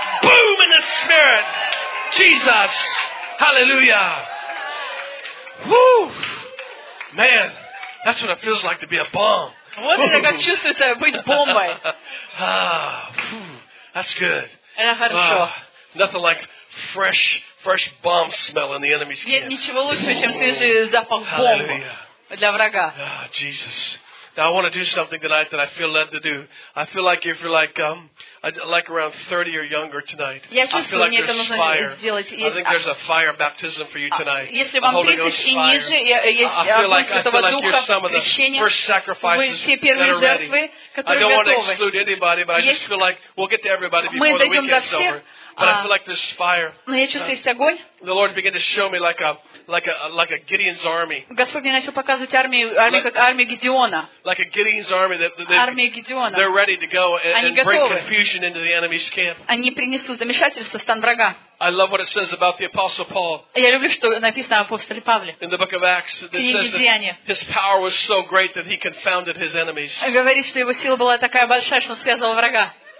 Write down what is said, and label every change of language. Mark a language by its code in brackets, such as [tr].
[en] Boom in the spirit. Jesus. Hallelujah. Woo! Man, that's what it feels like to be a bomb. What did I get chosen to be a bomb? That's good. And I had a show. Nothing like fresh bomb smell in the enemy's camp. [ru] Нет ничего лучше, чем свежий запах бомбы. для врага. [en] Jesus. Now I want to do something tonight that I feel led to do. I feel like if you're like around 30 or younger tonight, I think there's a fire baptism for you tonight. [ru] Если вам 30 и ниже, [en] I feel like you're some of the first sacrifices that are ready. I don't want to exclude anybody, but I just feel like we'll get to everybody before the weekend's over. But I feel like this fire. The Lord began to show me like a Gideon's army. [ru] Господь мне начал показывать армию как армию Гедеона. [en] Like a Gideon's army they're ready to go and bring confusion into the enemy's camp. [ru] Они принесут замешательство в стан врага. [en] I love what it says about the Apostle Paul. [ru] Я люблю, что написано об апостоле Павле. [en] In the book of Acts, it says that his power was so great that he confounded his enemies. [ru] Говорит, что его сила была такая большая, что он связывал врага.